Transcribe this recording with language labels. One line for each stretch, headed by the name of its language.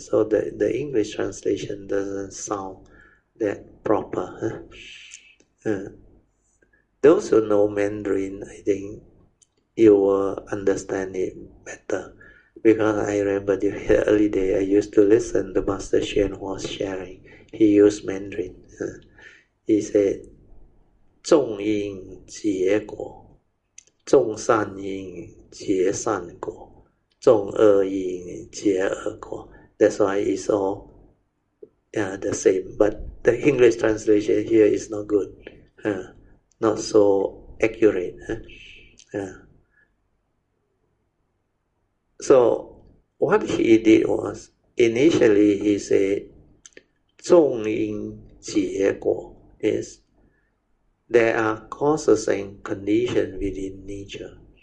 English: So the English translation doesn't sound that proper. Those who know Mandarin, I think, you will understand it better. Because I remember the early day, I used to listen to Master Xuan was sharing. He used Mandarin. He said,
Chinese: 种因结果, 种善因, 结善果, 种恶因结恶果.
English: That's why it's all the same. But the English translation here is not good. Not so accurate. So what he did was, initially he said,
Chinese: 种因结果
English: is there are causes and conditions within nature.